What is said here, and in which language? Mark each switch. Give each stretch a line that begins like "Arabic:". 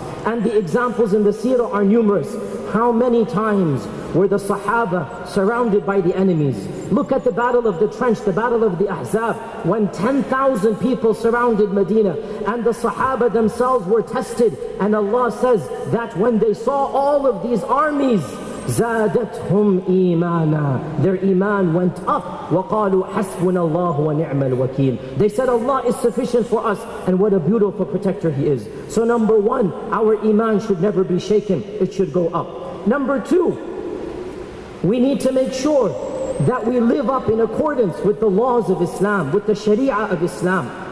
English: And the examples in the seerah are numerous. How many times were the Sahaba surrounded by the enemies? Look at the battle of the trench, the battle of the Ahzab, when 10,000 people surrounded Medina and the Sahaba themselves were tested. And Allah says that when they saw all of these armies,
Arabic: زادتهم إيمانا.
English: Their iman went up.
Arabic: وقالوا حسبنا الله ونعم الوكيل.
English: They said Allah is sufficient for us, and what a beautiful protector He is. So number one, our iman should never be shaken. It should go up. Number two, we need to make sure that we live up in accordance with the laws of Islam, with the Sharia of Islam.